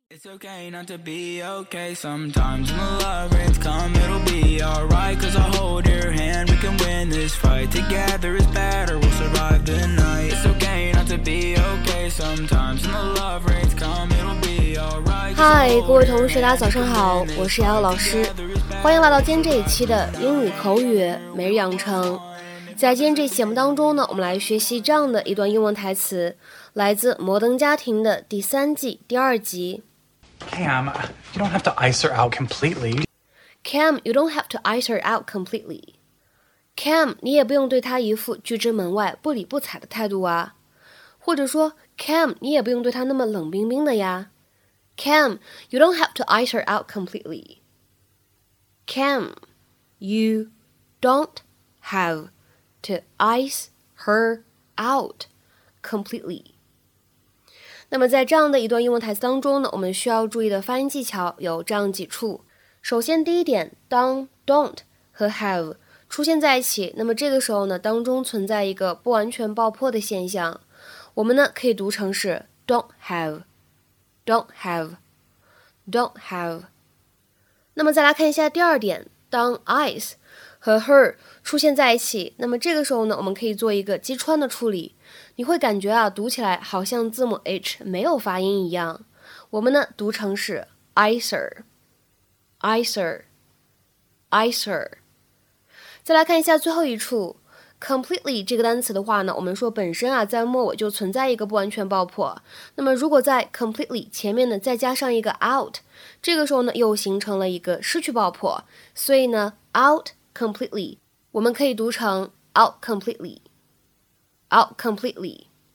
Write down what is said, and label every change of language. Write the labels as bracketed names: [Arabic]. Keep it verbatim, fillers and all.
[English] It's okay not to be okay sometimes. When the love rains come, it'll be alright. Cause I'll hold your hand, we can win this fight. Together is better, we'll survive the night. It's okay not to be okay sometimes. When the love rains come, it'll be alright. [Chinese] 嗨，各位同学，大家早上好，我是瑶瑶老师，欢迎来到今天这一期的英语口语每日养成。在今天这期节目当中呢，我们来学习这样的一段英文台词，来自《摩登家庭》的第三季第二集。 [English] Cam, you don't have to ice her out completely. Cam, you don't have to ice her out completely. [Chinese] Cam, 你也不用对她一副拒之门外、不理不睬的态度啊。或者说 Cam, 你也不用对她那么冷冰冰的呀。 [English] Cam, you don't have to ice her out completely. Cam, you don't have to ice her out completely. [Chinese] 那么在这样的一段英文台词当中呢，我们需要注意的发音技巧有这样几处。首先第一点，当 don't 和 have 出现在一起，那么这个时候呢，当中存在一个不完全爆破的现象，我们呢可以读成是 [English] don't have don't have don't have。 [Chinese] 那么再来看一下第二点，当 ice 和 her 出现在一起，那么这个时候呢，我们可以做一个击穿的处理，你会感觉啊，读起来好像字母 H 没有发音一样。我们呢读成是 [English] icer icer icer。 [Chinese] 再来看一下最后一处 completely 这个单词的话呢，我们说本身啊在末尾就存在一个不完全爆破，那么如果在 completely 前面呢再加上一个 out， 这个时候呢又形成了一个失去爆破，所以呢 out completely 我们可以读成 [English] out completely Out completely.